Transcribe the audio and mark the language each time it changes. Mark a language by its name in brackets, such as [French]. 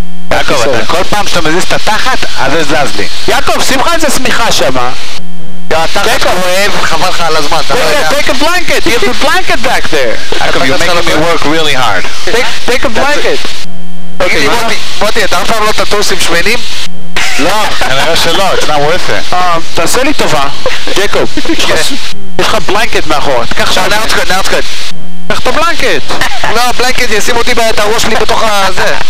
[Hebrew] יעקב, אתה כל פעם שאתה מזיז את התחת, אז זה זז לי. יעקב, שמחה איזה שמיכה שמה. התחת כואב, חבל לך על הזמן, אתה לא יודע. [English] Take a blanket, you have a blanket back there. יעקב, you're making me work really hard. Take a blanket. [Hebrew] בוטי, אתה אף פעם לא תטוס עם שמנים? לא, כנראה שלא, [English] it's not worth it. [Hebrew] תעשה לי טובה, ג'קוב. יש לך בלנקט מאחור, תקח שם. נאות קד, נאות קד. תקח את הבלנקט. לא, הבלנקט ישים אותי את הראש שלי בתוך הזה.